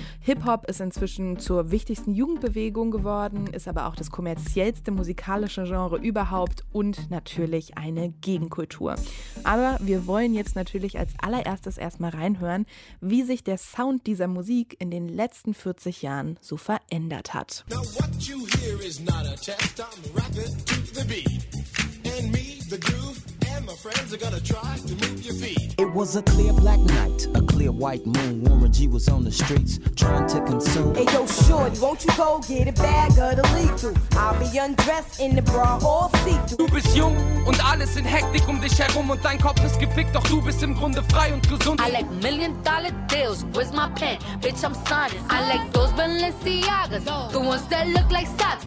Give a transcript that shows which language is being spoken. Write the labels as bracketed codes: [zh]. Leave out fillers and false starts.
[de] Hip-Hop ist inzwischen zur wichtigsten Jugendbewegung geworden, ist aber auch das kommerziellste musikalische Genre überhaupt und natürlich eine Gegenkultur. Aber wir wollen jetzt natürlich als allererstes erstmal reinhören, wie sich der Sound dieser Musik in den letzten 40 Jahren so verändert hat. [en] Now what you hear is not a test, I'm rapping to the beat. And me, the groove, and my friends are gonna try to move your feet. It was a clear black night, a clear white moon. Warmer G was on the streets, trying to consume. Hey yo, shorty, won't you go get a bag of the lethal? I'll be undressed in the bra all see-through. [de] Du bist jung und alles in Hektik um dich herum und dein Kopf ist gefickt, doch du bist im Grunde frei und gesund. [en] I like million dollar deals, where's my pen? Bitch, I'm signing. I like those Balenciagas, the ones that look like socks.